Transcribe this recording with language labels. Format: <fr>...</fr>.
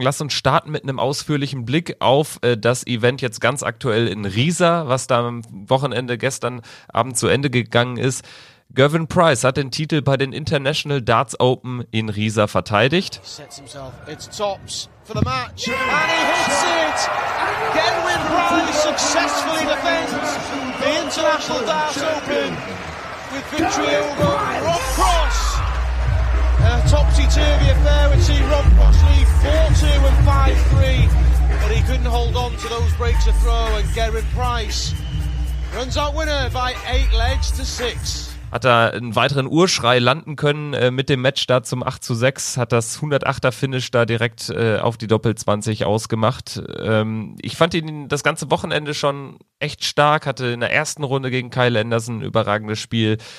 <de>Lass uns starten mit einem ausführlichen Blick auf das Event jetzt ganz aktuell in Riesa, was da am Wochenende gestern Abend zu Ende gegangen ist. Gervin Price hat den Titel bei den International Darts Open in Riesa verteidigt.</de> <en>Sets himself. It's tops for the match. Yeah. And he hits it. Gervin Price successfully defends the International Darts Open with victory over Rob Cross. Topsy-turvy affair with Rob Cross Lee 4-2 and 5-3. But he couldn't hold on to those breaks of throw and Gervin Price runs out winner by 8 legs to 6.</en> <de>Hat er einen weiteren Urschrei landen können mit dem Match da zum 8-6, hat das 108er-Finish da direkt auf die Doppel-20 ausgemacht. Ich fand ihn das ganze Wochenende schon echt stark, hatte in der ersten Runde gegen Kyle Anderson ein überragendes Spiel.</de>